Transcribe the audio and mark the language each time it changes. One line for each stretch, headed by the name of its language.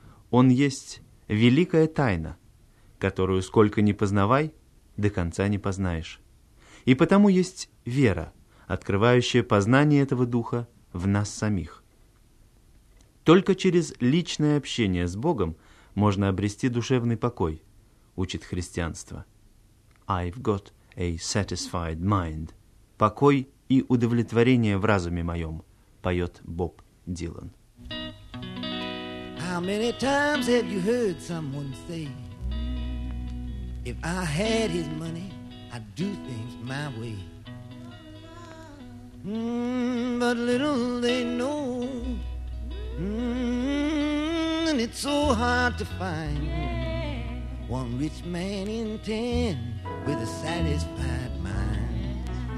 Russian: Он есть великая тайна, которую сколько ни познавай, до конца не познаешь. И потому есть вера, открывающая познание этого Духа в нас самих. Только через личное общение с Богом можно обрести душевный покой, учит христианство.
English: I've got a satisfied mind.
Russian: Покой и удовлетворение в разуме моем, поет Боб Дилан.
English: How many times have you heard someone say, if I had his money, I'd do things my way. But little they know, and it's so hard to find one rich man in ten with a satisfied mind.